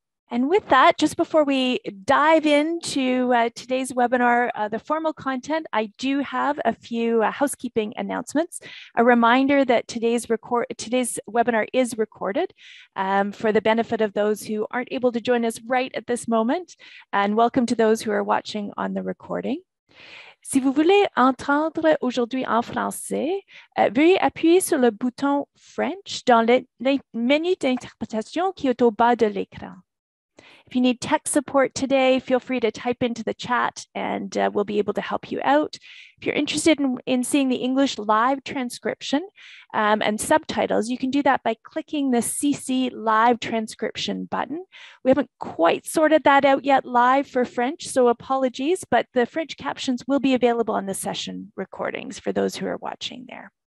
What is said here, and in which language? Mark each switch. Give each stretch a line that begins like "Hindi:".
English: And with that, just before we dive into today's webinar, the formal content, I do have a few housekeeping announcements. A reminder that today's webinar is recorded for the benefit of those who aren't able to join us right at this moment. And welcome to those who are watching on the recording.
French: Si vous voulez entendre aujourd'hui en français, veuillez appuyer sur le bouton French dans le menu d'interprétation qui est au bas de l'écran.
English: If you need tech support today, feel free to type into the chat and we'll be able to help you out. If you're interested in seeing the English live transcription and subtitles, you can do that by clicking the CC live transcription button. We haven't quite sorted that out yet live for French, so apologies, but the French captions will be available on the session recordings for those who are watching there.